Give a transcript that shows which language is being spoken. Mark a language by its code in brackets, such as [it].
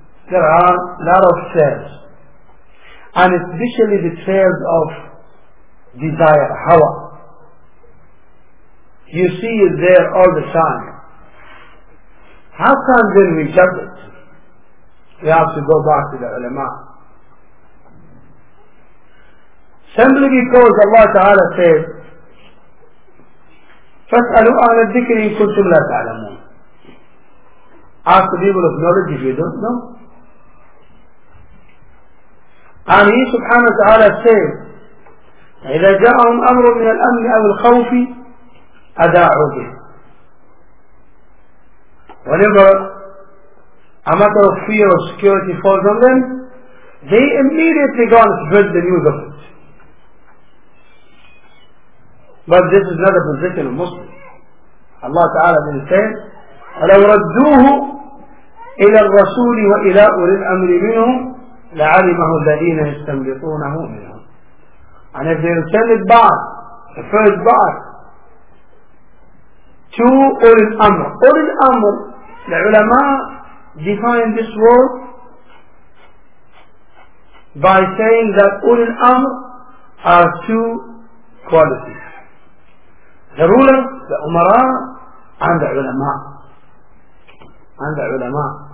[en] There are a lot of trials, and especially the trails of desire, hawa. You see it there all the time. How can then we shut it? We have to go back to the ulama. Simply because Allah Ta'ala said, [ar] فَاسْأَلُوا أَهْلَ الذِّكْرِ إِن كُنْتُمْ لَا تَعْلَمُونَ. [en] Ask the people of knowledge if you don't know. And He subhanahu wa ta'ala said, [ar] إِذَا جَاءَهُمْ أَمْرٌ مِنَ الْأَمْنِ أَوِ الْخَوْفِ أَدَاعُوا بِهِ. [en] Whenever a matter of fear or security falls on them, they immediately go and spread the news of it. But this is not a position of Muslims. Allah Ta'ala then said, [ar] أَلَوْ رَدُّوهُ إِلَى الرَّسُولِ وَإِلَىٰ أُولِي الْأَمْرِ مِنْهُمْ لَعَلِمَهُ الَّذِينَ يَسْتَنْبِطُونَهُ مِنْهُمْ. [en] And if they return it back, the first back, to أُولِي الْأَمْرِ. أُولِي الْأَمْرِ, the ulama define this word by saying that ulul amr are two qualities: the ruler, the umara, and the ulama. And the ulama.